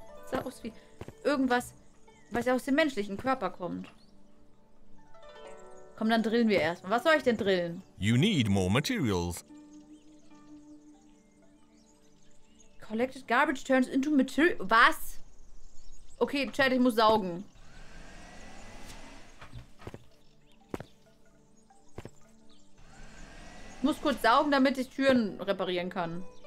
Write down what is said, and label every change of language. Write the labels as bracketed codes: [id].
[de] Sah aus wie irgendwas, was ja aus dem menschlichen Körper kommt. Komm, dann drillen wir erstmal. Was soll ich denn drillen? [en] You need more materials. Collected garbage turns into material. [de] Was? Okay, Chat, ich muss saugen. Ich muss kurz saugen, damit ich Türen reparieren kann.